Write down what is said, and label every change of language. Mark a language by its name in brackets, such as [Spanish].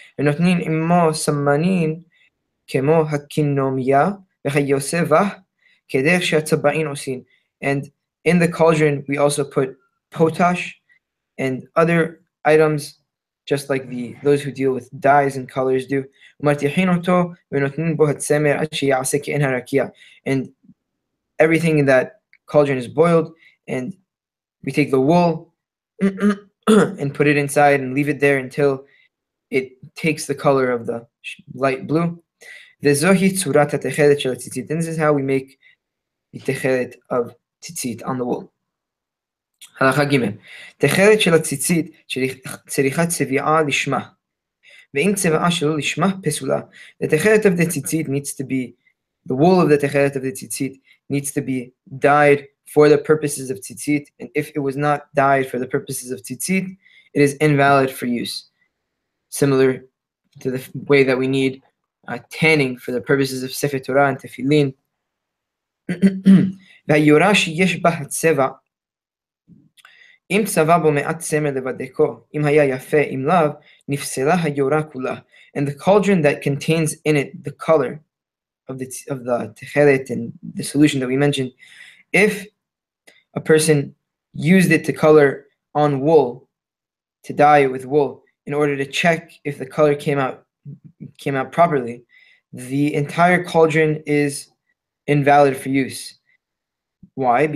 [Hebrew] ונותנים עמו סמנין כמו הכינומיה והיוסבה כדרך שהצבעין עושים. [English] And in the cauldron, we also put potash and other items, just like those who deal with dyes and colors do. [Hebrew] ומטיחין אותו ונותנים בו הצמר עד שיעשה כעין הרקיע. [English] And everything in that cauldron is boiled, and we take the wool and put it inside and leave it there until it takes the color of the light blue. [Hebrew] וזוהי צורת התכלת של הציצית. [English] And this is how we make the תכלת of ציצית on the wool. [Hebrew] הלכה ג' תכלת של הציצית צריכה צביעה לשמה. ואם צבעה שלו לשמה פסולה, [English] the תכלת of the ציצית needs to be, the wool of the תכלת of the ציצית needs to be dyed for the purposes of tzitzit, and if it was not dyed for the purposes of tzitzit, it is invalid for use. Similar to the way that we need tanning for the purposes of Sefer Torah and Tefillin. [Hebrew] והיורה שיש בה הצבע, אם צבע בו מעט צמר לבדקו, אם היה יפה, אם לאו, נפסלה היורה כולה. [English] And the cauldron that contains in it the color of the techelet and the solution that we mentioned, if a person used it to color on wool, to dye it with wool, in order to check if the color came out properly, the entire cauldron is invalid for use. Why?